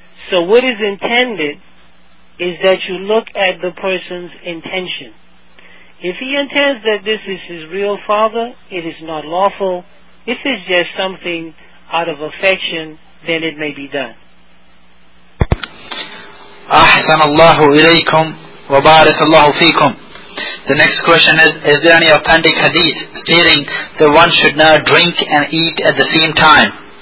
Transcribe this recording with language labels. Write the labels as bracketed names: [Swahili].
[English] So what is intended is that you look at the person's intention. If he intends that this is his real father, it is not lawful. If it's just something out of affection, then it may be done. [Arabic] أحسن الله إليكم وبارك الله فيكم. [English] The next question is there any authentic hadith stating that one should not drink and eat at the same time?